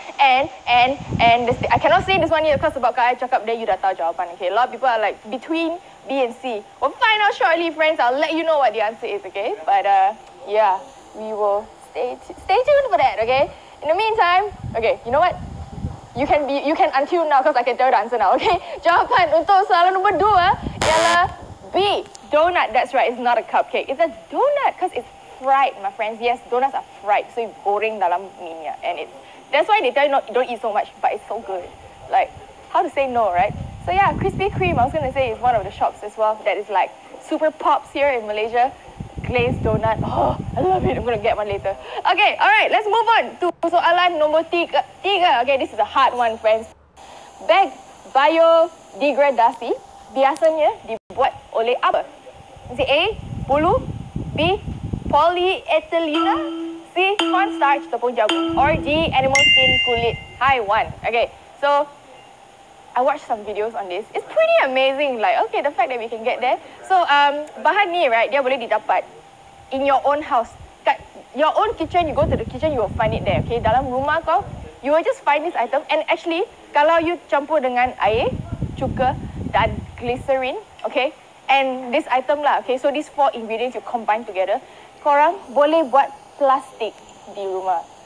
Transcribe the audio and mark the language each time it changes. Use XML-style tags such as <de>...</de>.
<en>And this thing, I cannot say this one yet because about kaya cakap dia, you</en> <ms>dah tahu jawapan,</ms> <en>okay. A lot of people are like between B and C. We'll find out shortly, friends, I'll let you know what the answer is, okay. But yeah, we will stay tuned for that, okay? In the meantime, okay, you know what? You can untune now because I can tell the answer now, okay?</en> <ms>Jawapan untuk soalan nombor dua ialah B, donut.</ms> <en>That's right, it's not a cupcake. It's a donut because it's fried, my friends. Yes, donuts are fried. So, you</en> <ms>goreng dalam minyak.</ms> <en>And it's, that's why they tell you not, don't eat so much, but it's so good. Like, how to say no, right? So, yeah, Krispy Kreme, I was going to say, is one of the shops as well that is like super pops here in Malaysia. Glazed donut. Oh, I love it. I'm going to get one later. Okay, all right. Let's move on to</en> <ms>soalan nombor tiga.</ms> <en>Okay, this is a hard one, friends.</en> <ms>Bag biodegradasi biasanya dibuat oleh apa?</ms> <en>Is it A, bulu? B, polyethylene? C, cornstarch,</en> <ms>tepung jagung?</ms> <en>Or D, animal skin, kulit? Hi, one. Okay, so I watched some videos on this. It's pretty amazing. Like, okay, the fact that we can get there. So,</en> <ms>bahan ni,</ms> <en>right,</en> <ms>dia boleh didapat</ms> <en>in your own house. Kat your own kitchen, you go to the kitchen, you will find it there, okay?</en> <ms>Dalam rumah kau,</ms> <en>you will just find this item. And actually, kalau you</en> <ms>campur dengan air, cuka, dan glycerin,</ms> <en>okay? And this item lah, okay? So, these four ingredients you combine together.</en> <ms>Korang boleh buat plastik di rumah.</ms>